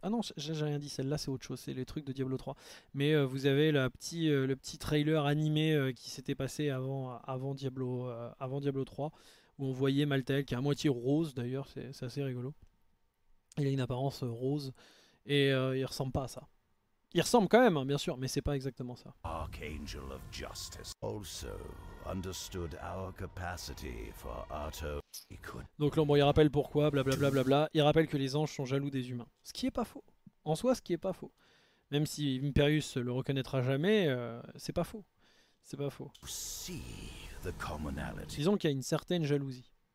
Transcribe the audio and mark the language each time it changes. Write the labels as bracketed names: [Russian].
[French] Ah non, j'ai rien dit, celle-là c'est autre chose, c'est les trucs de Diablo 3. Mais vous avez le petit trailer animé qui s'était passé avant Diablo 3, où on voyait Maltael qui est à moitié rose d'ailleurs, c'est assez rigolo. Il a une apparence rose et il ressemble pas à ça. Il ressemble quand même, hein, bien sûr, mais c'est pas exactement ça. [English] Archangel of Justice also understood our capacity for utter. He could. [French] Donc là, bon, il rappelle pourquoi, blablabla. Il rappelle que les anges sont jaloux des humains. Ce qui est pas faux. En soi, ce qui est pas faux. Même si Imperius le reconnaîtra jamais, c'est pas faux. C'est pas faux. [English] See the commonality. [French] Disons qu'il y a une certaine jalousie.